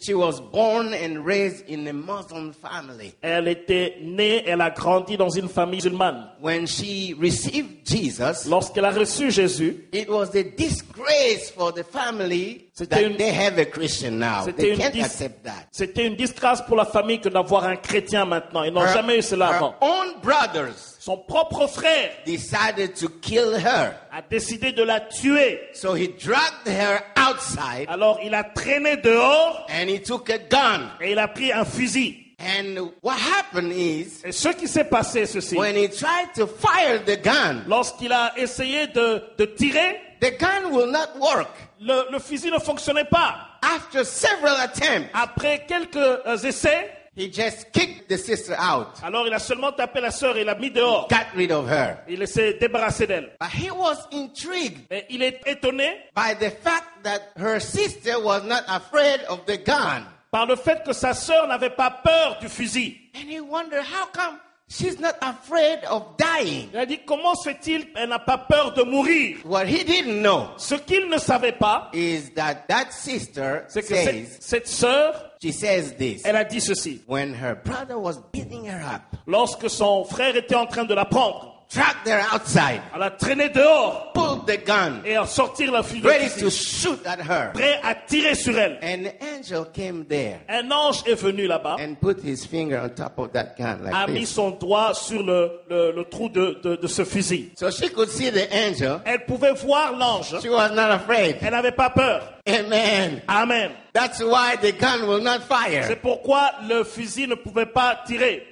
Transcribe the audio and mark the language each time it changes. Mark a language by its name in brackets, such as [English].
[English] She was born and raised in a Muslim family. [French] Elle était née, elle a grandi dans une famille musulmane. [English] When she received Jesus, [French] lorsqu'elle a reçu Jésus, [English] it was the disgrace for the family they have a Christian now. They can't accept that. [French] C'était une disgrâce pour la famille que d'avoir un chrétien maintenant. Ils n'ont jamais eu cela avant. [English] Her own brothers, [French] son propre frère, [English] decided to kill her. [French] A décidé de la tuer. [English] So he dragged her outside. [French] Alors il a traîné dehors. [English] And he took a gun. [French] Et il a pris un fusil. [English] And what happened is, [French] et ce qui s'est passé, ceci. [English] When he tried to fire the gun, [French] lorsqu'il a essayé de tirer, [English] the gun will not work. [French] Le fusil ne fonctionnait pas. [English] After several attempts, [French] après quelques essais, [English] he just kicked the sister out. [French] Alors il a seulement tapé la sœur et l'a mis dehors. [English] He got rid of her. [French] Il s'est débarrassé d'elle. [English] But he was intrigued. [French] Mais il est étonné [English] by the fact that her sister was not afraid of the gun. [French] Par le fait que sa sœur n'avait pas peur du fusil. [English] And he wondered how come she's not afraid of dying. [French] Il a dit comment se fait-il qu'elle n'a pas peur de mourir. [English] What he didn't know, [French] ce qu'il ne savait pas, [English] is that sister, [French] c'est que [English] says, [French] cette sœur, [English] she says this, [French] elle a dit ceci. [English] When her brother was beating her up, [French] lorsque son frère était en train de la prendre, [English] dragged her outside, [French] elle a traîné dehors, [English] pulled the gun, [French] et a sorti la fusil, [English] ready to shoot at her, [French] prêt à tirer sur elle. [English] An angel came there, [French] un ange est venu là-bas, [English] and put his finger on top of that gun like a this. [French] Mis son doigt sur le trou de ce fusil. [English] So she could see the angel. [French] Elle pouvait voir l'ange. [English] She was not afraid. [French] Elle n'avait pas peur. Amen. Amen. [English] That's why the gun will not fire. [French] C'est pourquoi le fusil ne pouvait pas tirer.